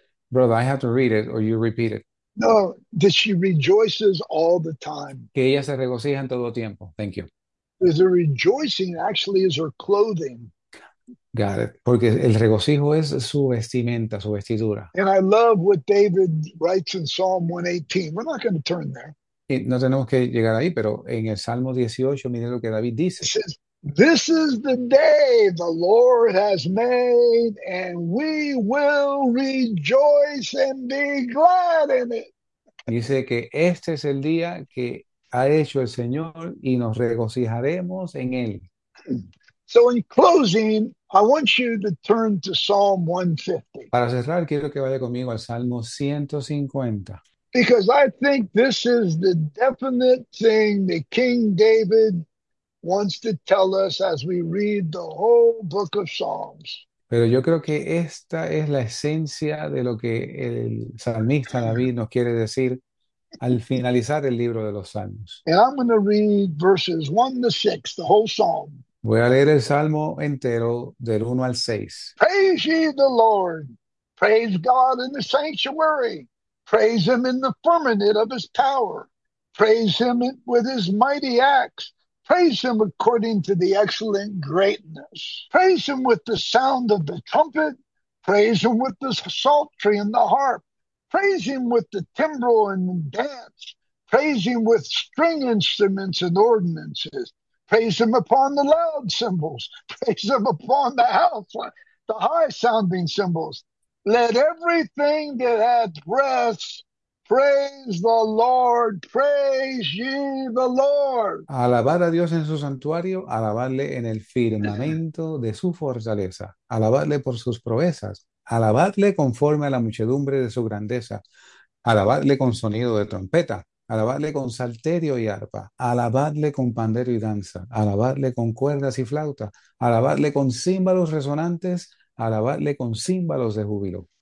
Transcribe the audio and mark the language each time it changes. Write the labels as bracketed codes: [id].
[en] Brother, I have to read it or you repeat it. No, that she rejoices all the time. [es] Que ella se regocija en todo tiempo. [en] Thank you. Is her rejoicing actually is her clothing. Got it. [es] Porque el regocijo es su vestimenta, su vestidura. [en] And I love what David writes in Psalm 118. We're not going to turn there. [es] Y no tenemos que llegar ahí, pero en el Salmo 18, miren lo que David [en] He [es] dice. [en] says, "This is the day the Lord has made, and we will rejoice and be glad in it." [es] Dice que este es el día que ha hecho el Señor y nos regocijaremos en él. [en] So, in closing, I want you to turn to Psalm 150. [es] Para cerrar, quiero que vaya conmigo al Salmo 150. [en] Because I think this is the definite thing that King David wants to tell us as we read the whole book of Psalms. [es] Pero yo creo que esta es la esencia de lo que el salmista David nos quiere decir al finalizar el libro de los Salmos. [en] Going to read verses 1 to 6, the whole Psalm. [es] Voy a leer el Salmo entero del 1 al 6. [en] Praise ye the Lord. Praise God in the sanctuary. Praise him in the firmament of his power. Praise him with his mighty acts. Praise him according to the excellent greatness. Praise him with the sound of the trumpet. Praise him with the psaltery and the harp. Praise him with the timbrel and dance. Praise him with string instruments and ordinances. Praise him upon the loud cymbals. Praise him upon the high sounding cymbals. Let everything that hath breath praise the Lord. Praise ye the Lord. [es] Alabad a Dios en su santuario, alabadle en el firmamento de su fortaleza, alabadle por sus proezas, alabadle conforme a la muchedumbre de su grandeza, alabadle con sonido de trompeta, alabadle con salterio y arpa, alabadle con pandero y danza, alabadle con cuerdas y flauta, alabadle con címbalos resonantes, alabadle con címbalos de júbilo.